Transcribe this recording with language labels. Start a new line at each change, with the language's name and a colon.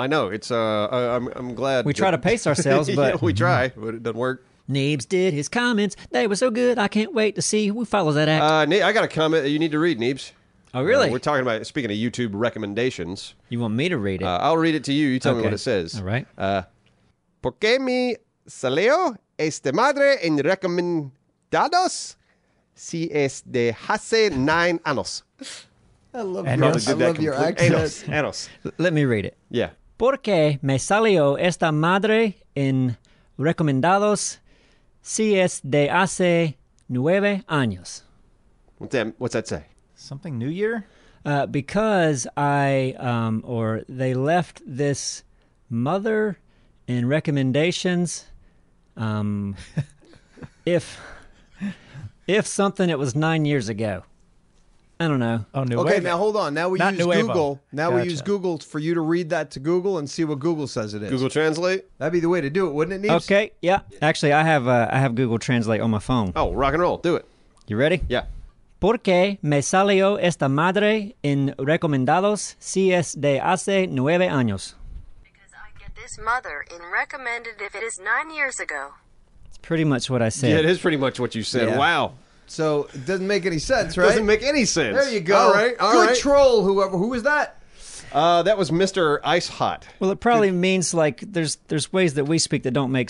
English: I know. It's, I'm glad. We try to pace ourselves, but. Yeah, we try, but it doesn't work. Neebs did his comments. They were so good. I can't wait to see who follows that act. I got a comment that you need to read, Neebs. Oh, really? We're talking about, speaking of YouTube recommendations. You want me to read it? I'll read it to you. You tell me what it says. All right.
Spanish: ¿Por qué me salió esta madre en recomendados si es de hace 9 años?
English: I love your accent. Let me read it. Yeah.
Spanish: ¿Por qué me salió esta madre en recomendados si es de hace 9 años?
English: What's that say? Something New Year? Because I, or they left this mother... And recommendations, if something it was 9 years ago, I don't know. Oh, Nueva. Okay, now hold on. Now we use Google. Now we use Google for you to read that to Google and see what Google says it is. Google Translate. That'd be the way to do it, wouldn't it, Neebs? Okay. Yeah. Actually, I have Google Translate on my phone. Oh, rock and roll. Do it. You ready? Yeah.
Spanish: ¿Por qué me salió esta madre en recomendados si es de hace 9 años?
English: This mother in recommended if it is 9 years ago. It's pretty much what I said. Yeah, it is pretty much what you said. Yeah. Wow. So it doesn't make any sense, right? Doesn't make any sense. There you go. All right. All good right. Troll, whoever. Who was that? That was Mr. Ice Hot. Well, it probably means like there's ways that we speak that don't make